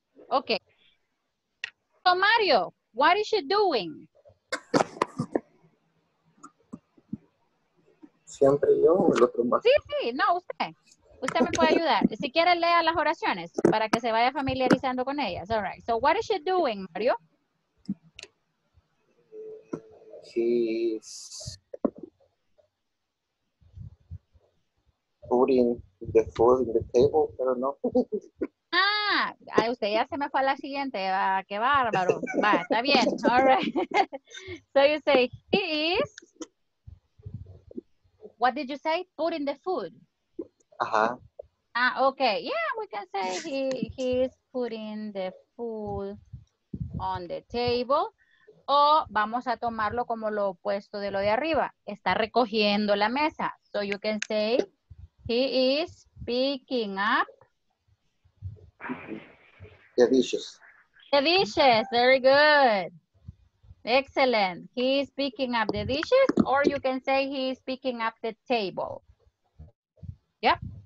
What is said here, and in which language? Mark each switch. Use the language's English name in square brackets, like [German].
[English] Okay. So Mario, what is she doing? [Spanish] Siempre yo, el otro más. Sí, no, usted. Usted me puede ayudar. Si quiere, lea las oraciones para que se vaya familiarizando con ellas. [English] All right. So, what is she doing, Mario? She's putting the food in the table, I don't know. [Spanish] Ah, usted ya se me fue a la siguiente. Ah, qué bárbaro. Va, está bien. [English] All right. So you say, he is, what did you say? Putting the food. Uh-huh. Ah, okay. Yeah, we can say he is putting the food on the table. [Spanish] O vamos a tomarlo como lo opuesto de lo de arriba. Está recogiendo la mesa. [English] So you can say, he is picking up the dishes. The dishes, very good. Excellent. He is picking up the dishes, or you can say he is picking up the table. Yep.